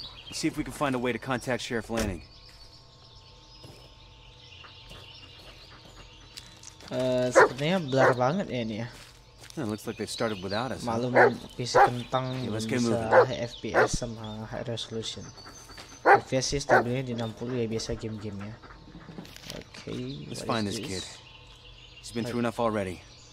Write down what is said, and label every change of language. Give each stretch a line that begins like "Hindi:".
English: Let's see if we can find a way to contact Sheriff Lanning.
Indonesian: Sepertinya blur banget ya ini ya.
English: It looks like they started without us.
Indonesian: Malum PC kentang bisa FPS sama high resolution. FPS sih stabilnya di 60 ya, biasa game-gamenya. Okay,
English: let's find this kid. He's been through enough already.